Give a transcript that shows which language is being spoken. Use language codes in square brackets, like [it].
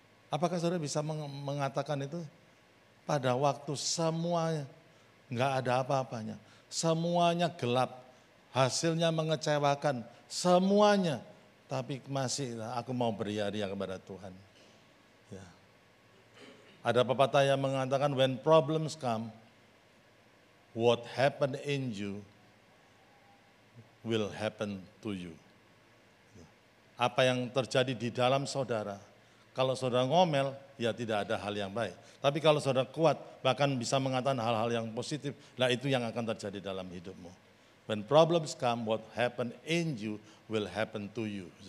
[id] Apakah saudara bisa mengatakan itu? Pada waktu semuanya enggak ada apa-apanya, semuanya gelap, hasilnya mengecewakan, semuanya, tapi masih aku mau beria-ria kepada Tuhan. Ada pepatah yang mengatakan, [en] when problems come, what happened in you will happen to you. [id] Apa yang terjadi di dalam saudara, kalau saudara ngomel, ya tidak ada hal yang baik. Tapi kalau saudara kuat, bahkan bisa mengatakan hal-hal yang positif, lah itu yang akan terjadi dalam hidupmu. [en] When problems come, what happened in you will happen to you.